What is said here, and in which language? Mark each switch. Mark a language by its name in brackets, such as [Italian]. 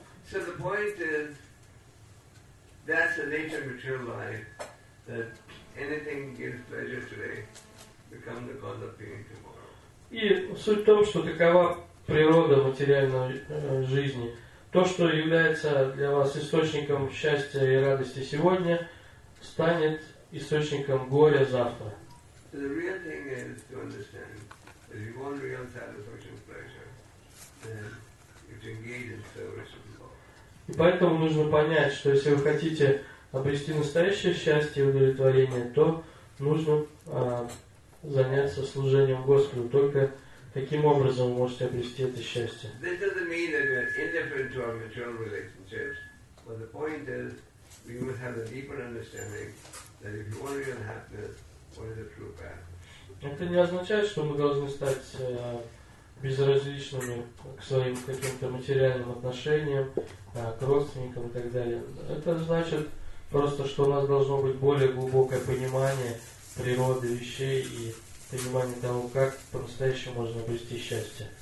[English] So the point is that's the nature of material life that anything gives pleasure today becomes the cause of pain tomorrow. [Russian] И суть в том, что такова природа материальной жизни. То, что является для вас источником счастья и радости сегодня, станет источником горя завтра. [English] So the real thing is to understand that if you want real satisfaction pleasure, then you engage in service of God. [Russian] И поэтому нужно понять, что если вы хотите обрести настоящее счастье и удовлетворение, то нужно заняться служением Господу. Только таким образом вы можете обрести это счастье. [English] This doesn't mean that we are indifferent to our material relationships, but the point is we must have a deeper understanding that if you want real happiness, what is the true path? [Russian] Это не означает, что мы должны стать безразличными к своим каким-то материальным отношениям, к родственникам и так далее. Это значит Просто что у нас должно быть более глубокое понимание природы вещей и понимание того, как по-настоящему можно обрести счастье.